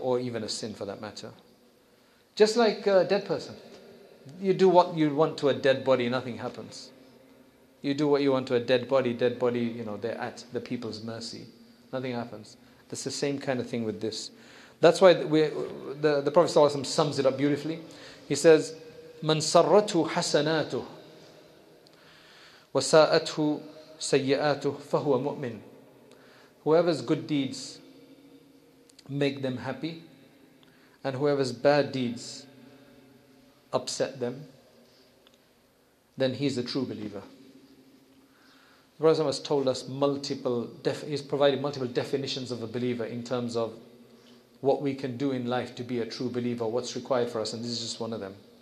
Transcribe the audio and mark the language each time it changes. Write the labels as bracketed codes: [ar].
[en] Or even a sin for that matter. Just like a dead person. You do what you want to a dead body, nothing happens. You do what you want to a dead body, you know, they're at the people's mercy. Nothing happens. That's the same kind of thing with this. That's why the Prophet ﷺ sums it up beautifully. He says, [ar] مَنْ سَرَّتُ حَسَنَاتُهُ وَسَاءَتْهُ سَيِّئَاتُهُ فَهُوَ مُؤْمِنٌ. [en] Whoever's good deeds make them happy, and whoever's bad deeds upset them, then he's a true believer. The Prophet has told us he's provided multiple definitions of a believer in terms of what we can do in life to be a true believer, what's required for us, and this is just one of them.